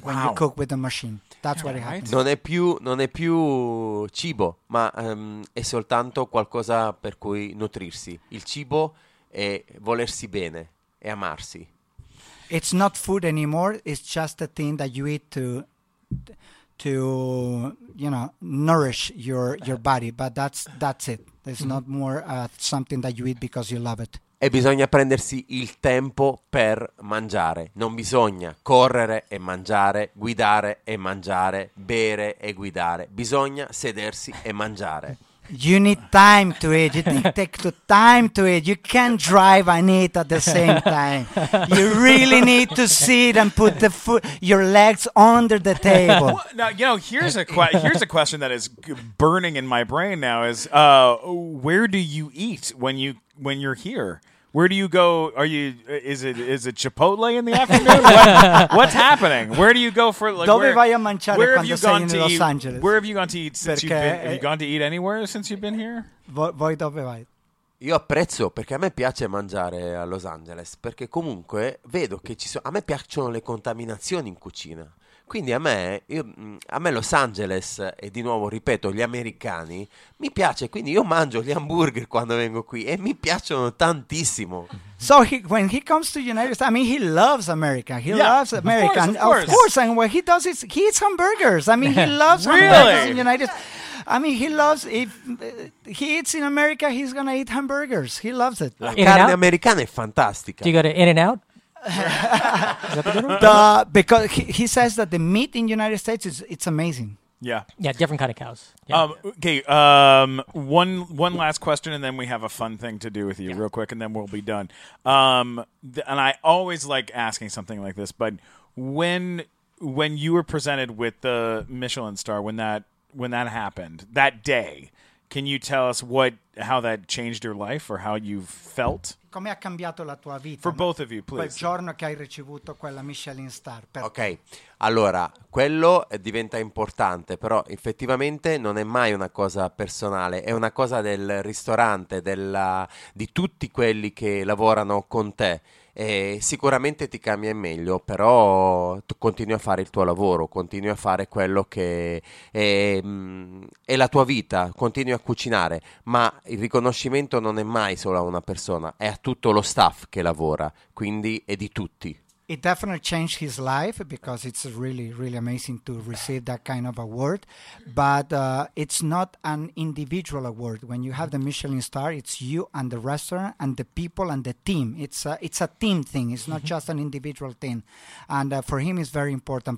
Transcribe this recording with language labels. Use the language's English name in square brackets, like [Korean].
[English] When wow. you cook with a machine, that's yeah, what it happens. [Italian] Non è più cibo, ma è soltanto qualcosa per cui nutrirsi. Il cibo è volersi bene, è amarsi. [English] It's not food anymore. It's just a thing that you eat to you know nourish your body. But that's it. It's mm-hmm. not more something that you eat because you love it. [Italian] E bisogna prendersi il tempo per mangiare. Non bisogna correre e mangiare, guidare e mangiare, bere e guidare. Bisogna sedersi e mangiare. [English] You need time to eat. You need to take the time to eat. You can't drive and eat at the same time. You really need to sit and put the food, your legs under the table. Well, now, you know, here's a question that is burning in my brain now is, where do you eat when you're here? Where do you go? Is it Chipotle in the afternoon? What's happening? Where do you go for like? [Italian] Dove vai a mangiare quando sei in Los Angeles? [English] Where have you gone to eat since you've been? Have you gone to eat anywhere since you've been here? [Italian] Voi dove vai? Io apprezzo, perché a me piace mangiare a Los Angeles, perché comunque vedo che ci sono, a me piacciono le contaminazioni in cucina. Quindi a me, io, a me Los Angeles, e di nuovo ripeto, gli americani, mi piace. Quindi io mangio gli hamburger quando vengo qui e mi piacciono tantissimo. [English] So he, when he comes to United States, I mean, he loves America. He loves America. Of course. And what he does is he eats hamburgers. I mean, he loves hamburgers in United States. I mean, he loves, if he eats in America, he's going to eat hamburgers. He loves it. [Italian] La carne americana è fantastica. [English] Do you go to In-N-Out? Because he says that the meat in the United States, it's amazing. Yeah. Yeah, different kind of cows. One last question, and then we have a fun thing to do with you real quick, and then we'll be done. And I always like asking something like this, but when you were presented with the Michelin star, when that happened that day, can you tell us how that changed your life, or how you felt? [Italian] Come ha cambiato la tua vita? [English] For both of you, please. [Italian] Quel giorno che hai ricevuto quella Michelin star. Ok, allora, quello diventa importante, però effettivamente non è mai una cosa personale, è una cosa del ristorante, di tutti quelli che lavorano con te. E sicuramente ti cambia in meglio, però continui a fare il tuo lavoro, continui a fare quello che è la tua vita, continui a cucinare, ma il riconoscimento non è mai solo a una persona, è a tutto lo staff che lavora, quindi è di tutti. [English] It definitely changed his life, because it's really, really amazing to receive that kind of award. But it's not an individual award. When you have the Michelin star, it's you and the restaurant and the people and the team. It's a team thing. It's not just an individual thing. And for him, it's very important.